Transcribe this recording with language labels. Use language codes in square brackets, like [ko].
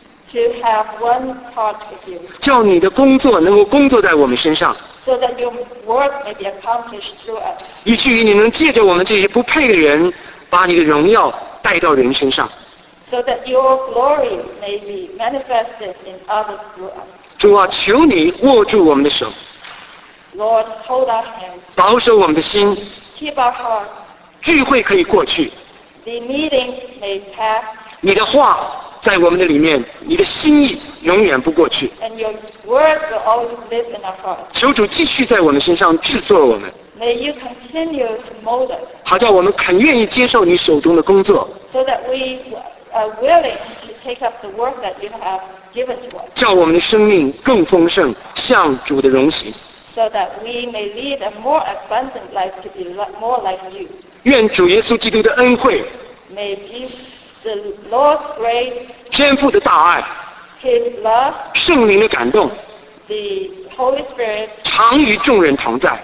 [en] To have one part with you. [zh] 叫你的工作能够工作在我们身上， [en] so that your work may be accomplished through us. [zh] 以至于你能借着我们这些不配的人，把你的荣耀带到人身上， [en] so that your glory may be manifested in others through us. [zh] 主啊，求你握住我们的手， [en] Lord, hold our hands. [zh] 保守我们的心， [en] keep our hearts. [zh] 聚会可以过去， [en] the meeting may pass. [zh] 你的话在我们的里面，你的心意永远不过去。 [en] And your word will always live in our hearts. [zh] 求主继续在我们身上制作我们。 [en] May you continue to mold us. [zh] 好叫我们肯愿意接受你手中的工作。 [en] So that we are willing to take up the work that you have given to us. [zh] 叫我们的生命更丰盛，向主的荣行。 [en] So that we may lead a more abundant life to be more like you. [zh] 愿主耶稣基督的恩惠。 [en] May Jesus. The Lord's grace, [zh] 天父的大爱， [en] His love, [zh] 圣灵的感动， [en] the Holy Spirit, [zh] 常与众人同在，